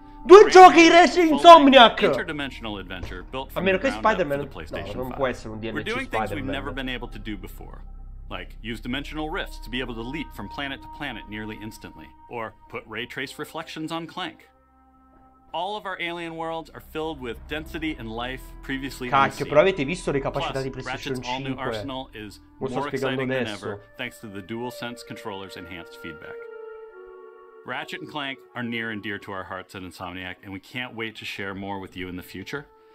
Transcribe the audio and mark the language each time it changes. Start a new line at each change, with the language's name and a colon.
Italian: Due giochi Ratchet Insomniac!
English: Interdimensional adventure built from the ground up for the PlayStation 5.
Italian: No, non può essere un DLC Spider-Man.
English: We're doing things we've never been able to do before. Like, use dimensional rifts to be able to leap from planet to planet nearly instantly. Or put ray trace reflections on Clank. All of our alien worlds are filled with density and life previously unseen.
Italian: Cacchio, però avete visto le capacità di PlayStation 5. Lo sto spiegando adesso.
English: Ever, thanks to the DualSense controller's enhanced feedback. Ratchet and Clank are near and dear to our hearts at Insomniac, and we can't wait to share more with you in the future.